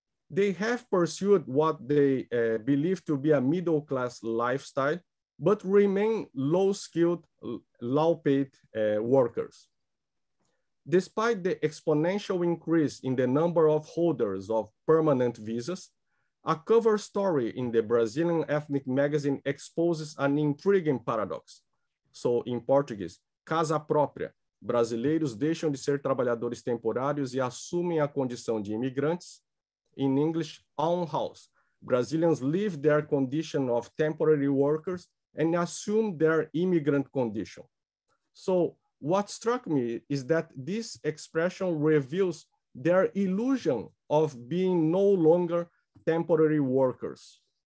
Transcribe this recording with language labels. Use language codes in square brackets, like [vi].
[en] They have pursued what they believe to be a middle-class lifestyle, but remain low-skilled, low-paid workers. Despite the exponential increase in the number of holders of permanent visas, a cover story in the Brazilian ethnic magazine exposes an intriguing paradox. So in Portuguese, [pt] casa própria, brasileiros deixam de ser trabalhadores temporários e assumem a condição de imigrantes. [en] In English, own house, Brazilians leave their condition of temporary workers and assume their immigrant condition. So what struck me is that this expression reveals their illusion of being no longer temporary workers.